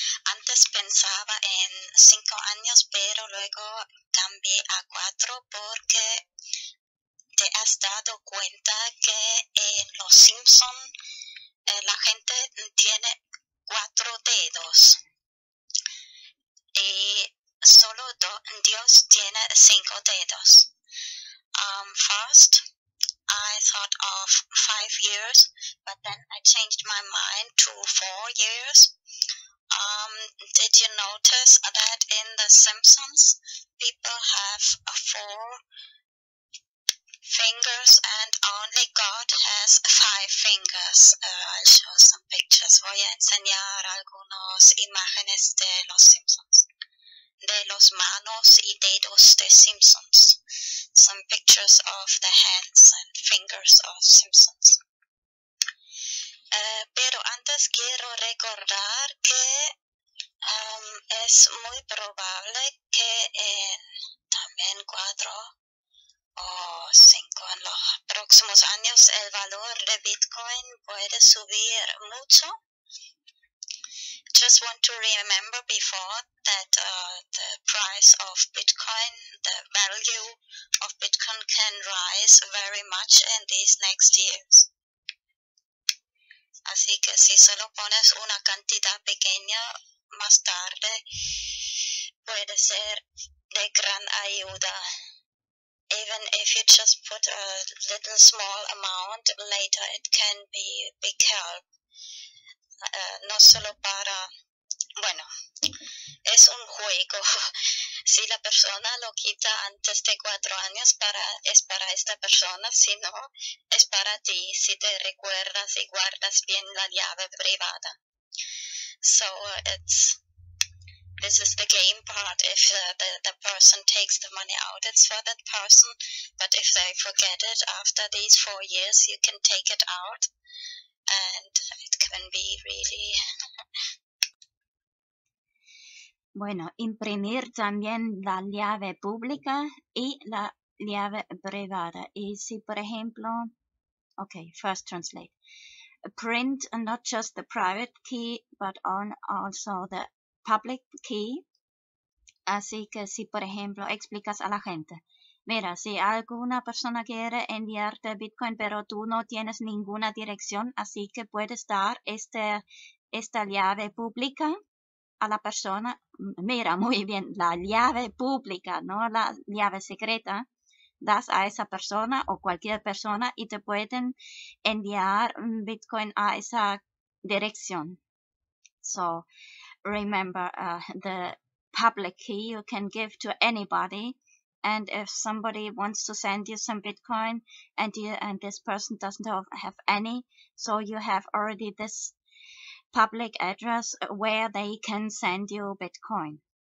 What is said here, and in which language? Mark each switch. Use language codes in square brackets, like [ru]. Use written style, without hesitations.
[es] Antes pensaba en 5 años, pero luego cambié a 4 porque te has dado cuenta que en Los Simpson la gente tiene 4 dedos y solo Dios tiene 5 dedos. [en] First, I thought of 5 years, but then I changed my mind to 4 years. Did you notice that in The Simpsons, people have 4 fingers and only God has 5 fingers? I'll show some pictures. [es] Voy a enseñar algunas imágenes de Los Simpsons, de los manos y dedos de Simpsons. [en] Some pictures of the hands and fingers of Simpsons. [es] Pero antes quiero recordar que es muy probable que en también 4 o 5 en los próximos años el valor de Bitcoin puede subir mucho. [en] Just want to remember before that the price of Bitcoin, the value of Bitcoin can rise very much in these next years. [es] Así que si solo pones una cantidad pequeña, más tarde puede ser de gran ayuda. [en] Even if you just put a little small amount, later it can be big help. [es] No solo para, bueno, es un juego. Si la persona lo quita antes de 4 años, es para esta persona. Si no, es para ti, si te recuerdas y guardas bien la llave privada. [en] So this is the game part. If the person takes the money out, it's for that person. But if they forget it after these 4 years, you can take it out. And it can be really... [es] Bueno, imprimir también la llave pública y la llave privada. Y si, por ejemplo... [en] Okay, first translate. Print not just the private key, but also the public key. [es] Así que si, por ejemplo, explicas a la gente. Mira, si alguna persona quiere enviarte Bitcoin, pero tú no tienes ninguna dirección, así que puedes dar esta llave pública a la persona. Mira, muy bien, la llave pública, no la llave secreta. Das a esa persona o cualquier persona y te pueden enviar Bitcoin a esa dirección. [en] So, remember, the public key you can give to anybody. And if somebody wants to send you some Bitcoin and this person doesn't have any, so you have already this public address where they can send you Bitcoin.